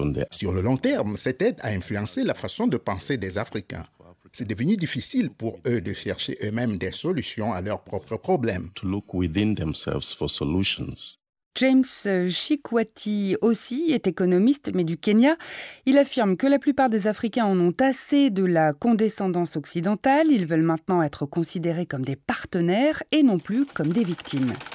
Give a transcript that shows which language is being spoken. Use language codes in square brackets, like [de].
[fr] Sur le long terme, cette aide a influencé la façon de penser des Africains. C'est devenu difficile pour eux de chercher eux-mêmes des solutions à leurs propres problèmes. [en] To look within themselves for solutions. [fr] James Chikwati aussi est économiste, mais du Kenya. Il affirme que la plupart des Africains en ont assez de la condescendance occidentale. Ils veulent maintenant être considérés comme des partenaires et non plus comme des victimes.